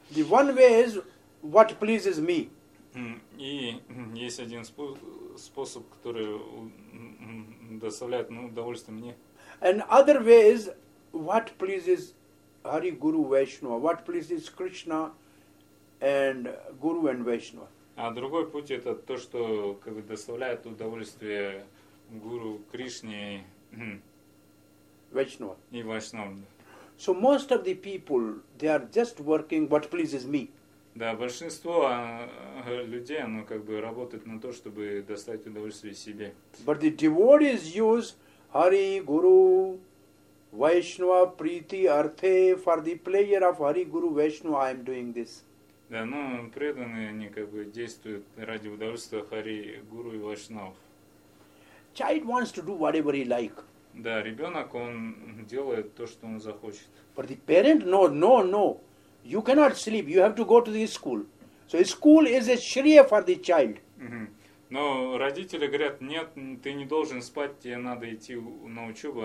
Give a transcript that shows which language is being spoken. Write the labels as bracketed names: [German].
[English] The one way is what pleases me. [Russian] И есть один способ, который доставляет удовольствие мне. [English] And other way is what pleases Hari Guru Vaishnava, what pleases Krishna and Guru and Vaishnava. [Russian] А другой путь это то, что как бы доставляет удовольствие Гуру Кришне и Вайшнава. И Вайшнава. [English] So most of the people, they are just working what pleases me. [Russian] Да, большинство людей, оно как бы работает на то, чтобы доставить удовольствие себе. [English] But the devotees use Hari, Guru, Vaishnava, Priti, Arthe for the pleasure of Hari, Guru, Vaishnava, I am doing this. [Russian] Да, но преданные, они как бы действуют ради удовольствия Хари, Гуру и Вайшнава. [English] Child wants to do whatever he like. [Russian] Да, ребенок, он делает то, что он захочет. [English] But the parent, no, no, no. You cannot sleep. You have to go to the school. So school is a shriya for the child. [Russian] Но родители говорят, нет, ты не должен спать, тебе надо идти на учебу.